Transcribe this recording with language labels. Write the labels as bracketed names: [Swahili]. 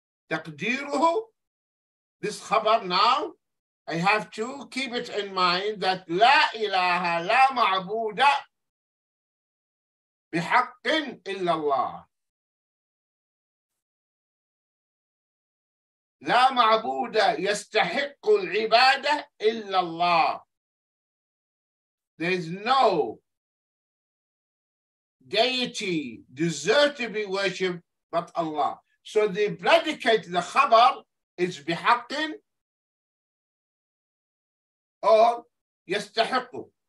[English] تقديره, this khabar now, I have to keep it in mind that [Arabic] لا إله لا معبود بحق إلا الله. لا معبود يستحق العبادة إلا الله. [English] There is no deity deserved to be worshipped but Allah. So the predicate, the khabar, is bihaqin or yastahiqu.